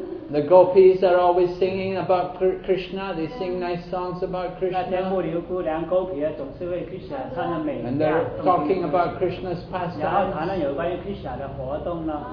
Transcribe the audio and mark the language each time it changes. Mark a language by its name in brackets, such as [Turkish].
[English] The gopis are always singing about Krishna. They sing nice songs about Krishna. [Chinese] 那些牧牛姑娘、gopi 总是为 Krishna 唱的美妙。 [English] And they're talking about Krishna's pastimes. [Chinese] 然后谈论有关于 Krishna 的活动呢。